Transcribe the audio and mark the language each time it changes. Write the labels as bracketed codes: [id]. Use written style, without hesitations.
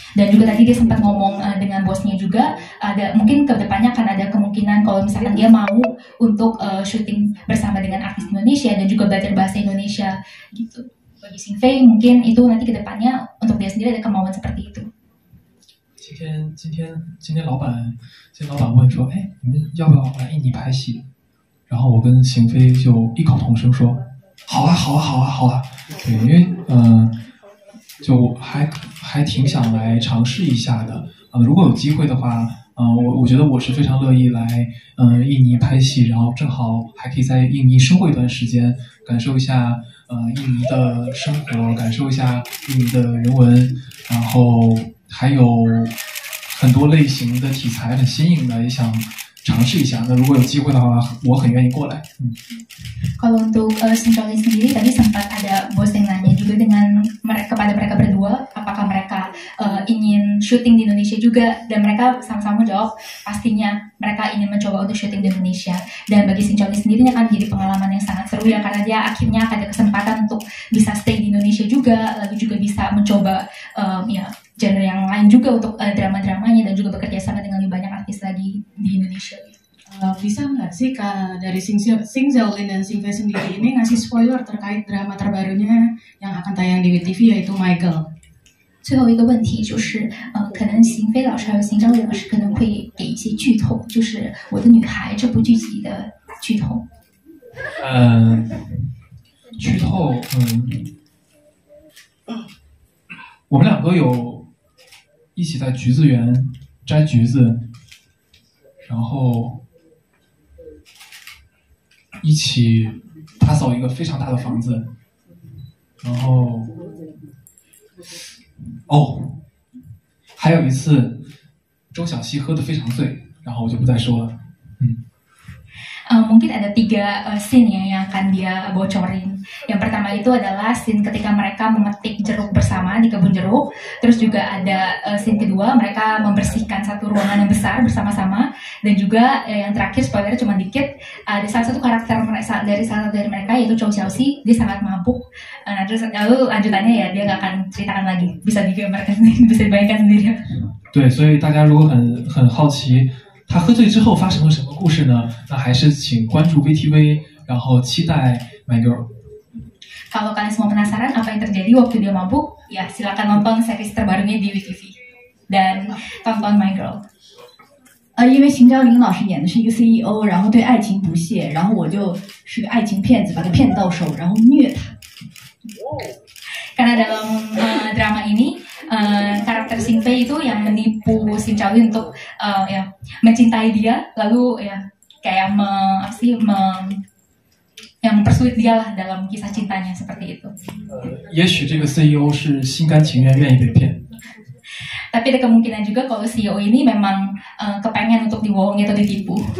[id] Dan juga tadi dia sempat ngomong dengan bosnya juga, ada mungkin kedepannya akan ada kemungkinan kalau misalkan dia mau untuk syuting bersama dengan artis Indonesia dan juga belajar bahasa Indonesia gitu. Bagi Sinfei mungkin itu nanti kedepannya untuk dia sendiri ada kemauan seperti itu. [zh] 今天老板问说，哎，你们要不要来印尼拍戏？然后我跟邢飞就异口同声说，好啊。对，因为就还挺想来尝试一下的。如果有机会的话，我觉得我是非常乐意来印尼拍戏，然后正好还可以在印尼生活一段时间，感受一下印尼的生活，感受一下印尼的人文，然后还有很多类型的题材很新颖的，也想尝试一下。那如果有机会的话，我很愿意过来。 [id] Kalau untuk Sinfei sendiri tadi sempat ada bos yang nanya juga dengan kepada mereka berdua, apakah mereka ingin syuting di Indonesia juga, dan mereka sama-sama jawab pastinya mereka ingin mencoba untuk syuting di Indonesia. Dan bagi Sinfei sendiri ini akan jadi pengalaman yang sangat seru ya, karena dia akhirnya ada kesempatan untuk bisa stay di Indonesia juga, lalu juga bisa mencoba ya genre yang lain juga untuk drama-dramanya, dan juga bekerja sama dengan lebih banyak artis lagi di Indonesia. Bisa nggak sih Kak, dari Sing Zaolin dan Sing Fei sendiri ini ngasih spoiler terkait drama terbarunya yang akan tayang di WTV yaitu Michael? [zh] 最后一个问题就是，可能邢飞老师还有邢昭林老师可能会给一些剧透，就是《我的女孩》这部剧集的剧透。剧透，我们两个有一起在橘子园摘橘子，然后一起打扫一个非常大的房子，然后哦，还有一次周小溪喝得非常醉，然后我就不再说了。 [id] Mungkin ada tiga scene yang akan dia bocorin. Yang pertama itu adalah scene ketika mereka memetik jeruk bersama di kebun jeruk. Terus juga ada scene kedua, mereka membersihkan satu ruangan yang besar bersama-sama. Dan juga yang terakhir, spoiler cuma dikit, ada salah satu karakter dari mereka yaitu Chow Xiao Si, dia sangat mabuk. Nah, terus lalu lanjutannya ya, dia gak akan ceritakan lagi. Bisa digambarkan sendiri, bisa dibayangkan sendiri. [zh] 对，所以大家如果很好奇他喝醉之后发生了什么故事呢，那还是请关注 VTV， 然后期待 My Girl。 [id] Kalau kalian semua penasaran apa yang terjadi waktu dia mabuk, ya silakan nonton series terbarunya di WeTV dan tonton My Girl. [zh] 因为邢昭林老师演的是一个 CEO， 然后对爱情不屑，然后我就是个爱情骗子，把他骗到手，然后虐他。 [id] Karena dalam drama ini karakter Sing Fei itu yang menipu Sing Chao Lin untuk ya mencintai dia, lalu ya kayak yang mempersulit dia lah dalam kisah cintanya seperti itu. Yeshu, ini [zh] CEO 是心甘情愿愿意被骗。 [id] Tapi ada kemungkinan juga kalau CEO ini memang kepengen untuk dibohongi atau ditipu.